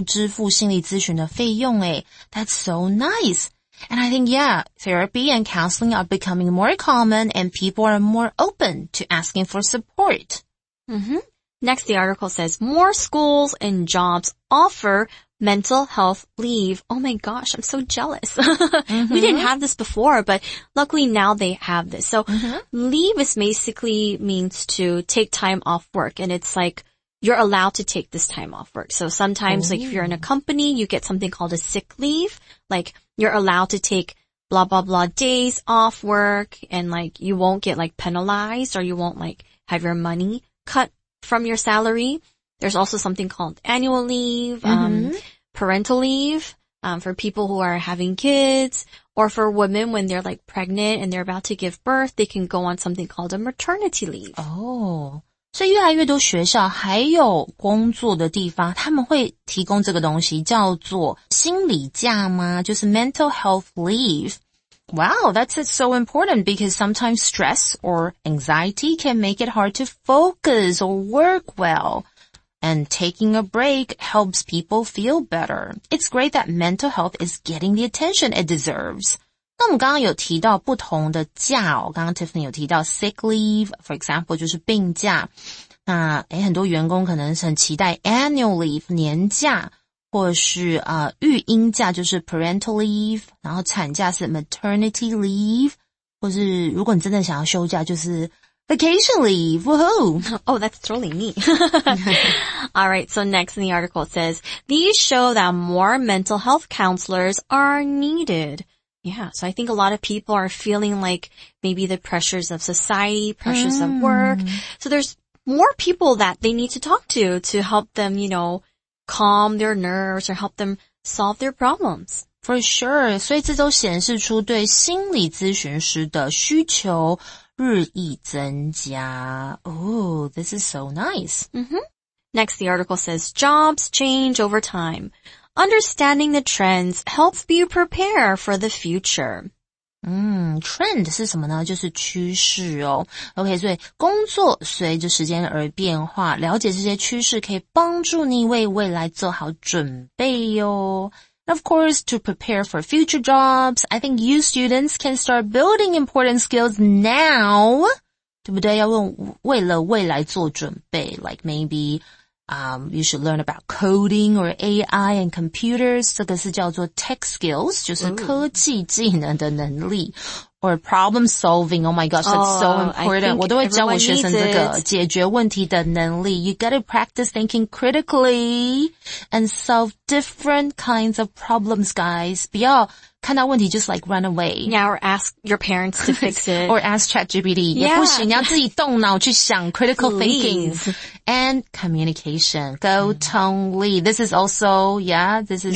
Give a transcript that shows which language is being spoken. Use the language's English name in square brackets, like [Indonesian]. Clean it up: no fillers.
[Chinese] 所以哇,现在政府会帮助支付心理咨询的费用诶. [English] That's so nice. And I think, yeah, therapy and counseling are becoming more common and people are more open to asking for support. Mm-hmm. Next, the article says, more schools and jobs offer mental health leave. Oh my gosh, I'm so jealous. Mm-hmm. We didn't have this before, but luckily now they have this. So leave is basically means to take time off work, and it's like, you're allowed to take this time off work. So sometimes, like, if you're in a company, you get something called a sick leave. Like, you're allowed to take blah, blah, blah days off work, and like, you won't get like penalized, or you won't like have your money cut from your salary. There's also something called annual leave, parental leave, for people who are having kids, or for women when they're like pregnant and they're about to give birth, they can go on something called a maternity leave. Oh. [Chinese] 所以越来越多学校还有工作的地方, 他们会提供这个东西叫做心理假吗? 就是 [English] mental health leave. Wow, that's so important because sometimes stress or anxiety can make it hard to focus or work well. And taking a break helps people feel better. It's great that mental health is getting the attention it deserves. [Chinese] 那我们刚刚有提到不同的假哦, 刚刚Tiffany有提到 sick leave, [English] for example, [Chinese] 就是病假, 那, 诶, 很多员工可能是很期待 annual leave, 年假, 或是, 育婴假, 就是 parental leave, 然后产假是 maternity leave, 或是如果你真的想要休假, 就是 vacation leave, woohoo! [English] Oh, that's totally me. Alright, so next in the article says, these show that more mental health counselors are needed. Yeah, so I think a lot of people are feeling like maybe the pressures of society, pressures of work. So there's more people that they need to talk to help them, you know, calm their nerves or help them solve their problems. For sure. [Chinese] 所以这都显示出对心理咨询师的需求日益增加. [English] Oh, this is so nice. Mm-hmm. Next, the article says, jobs change over time. Understanding the trends helps you prepare for the future. [Chinese] Trend 是什么呢?就是趋势哦。 Okay, 所以工作随着时间而变化, 了解这些趋势可以帮助你为未来做好准备哦。 [English] Of course, to prepare for future jobs, I think you students can start building important skills now. [Chinese] 对不对?要为了未来做准备, [English] like maybe... you should learn about coding or AI and computers. [Chinese] 这个是叫做 tech skills, 就是科技技能的能力, [English] or problem solving. Oh my gosh, that's so important. [Chinese] 我都会教我学生这个解决问题的能力. [English] You gotta practice thinking critically and solve different kinds of problems, guys. [Chinese] 不要看到问题 [English] just like run away. Yeah, or ask your parents to fix it. Or ask ChatGPT. [Chinese] 也不行,你要自己动脑去想 critical thinking. [English] And communication. Go Tong Lee. This is also, yeah, this is